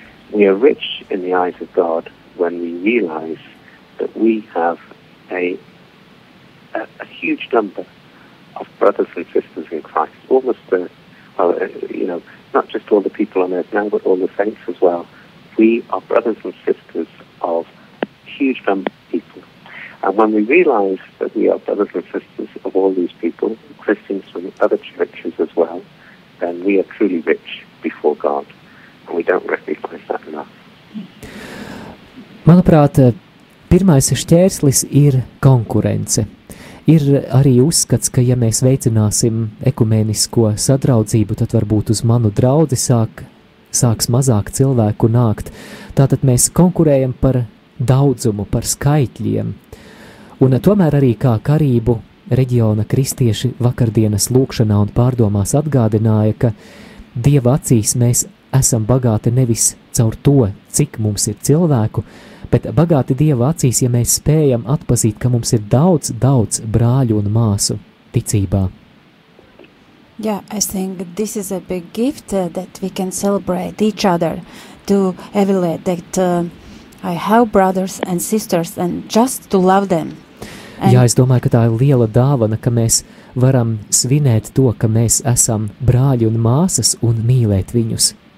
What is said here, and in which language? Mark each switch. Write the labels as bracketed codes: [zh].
[en] We are rich in the eyes of God when we realize that we have a huge number of brothers and sisters in Christ, not just all the people on earth now, but all the saints as well. We are brothers and sisters of a huge number of people. And when we realize that we are brothers and sisters of all these people, Christians from other churches as well, then we are truly rich before God, and we don't recognize that enough. [lv] Manuprāt, pirmais šķērslis ir konkurence. Ir arī uzskats, ka ja mēs veicināsim ekumenisko sadraudzību, tad varbūt uz manu draudzi sāks mazāk cilvēku nākt. Tātad mēs konkurējam par daudzumu, par skaitļiem. Un tomēr arī kā Karību reģiona kristieši vakardienas lūkšanā un pārdomās atgādināja, ka Dieva acīs mēs esam bagāti nevis caur to, cik mums ir cilvēku, bet bagāti Dieva acīs, ja mēs spējam atpazīt, ka mums ir daudz, daudz brāļu un māsu ticībā. [en] Yeah, I think this is a big gift that we can celebrate each other to evaluate that I have brothers and sisters and just to love them. [lv] Jā, es domāju, ka tā ir liela dāvana, ka mēs varam svinēt to, ka mēs esam brāļi un māsas un mīlēt viņus.